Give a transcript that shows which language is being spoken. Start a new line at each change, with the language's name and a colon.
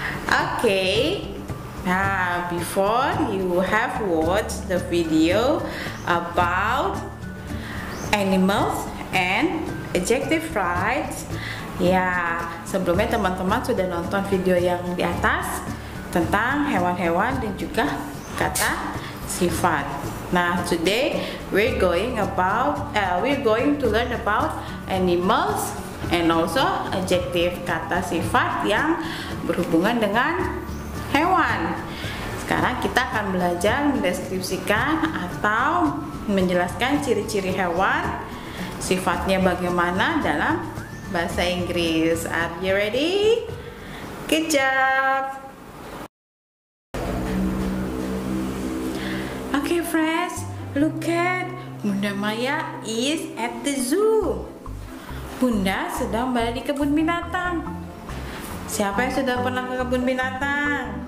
English: Okay, nah, before you have watched the video about animals and adjective rights.
Indonesian: Ya, sebelumnya teman-teman sudah nonton video yang di atas tentang hewan-hewan dan juga kata sifat.
English: Nah, today we're going to learn about animals and also adjective
Indonesian: kata sifat yang berhubungan dengan hewan. Sekarang kita akan belajar mendeskripsikan atau menjelaskan ciri-ciri hewan, sifatnya bagaimana dalam bahasa Inggris.
English: Are you ready? Good job! Okay friends, look at Bunda Maya is at the zoo.
Indonesian: Bunda sedang berada di kebun binatang. Siapa yang sudah pernah ke kebun binatang?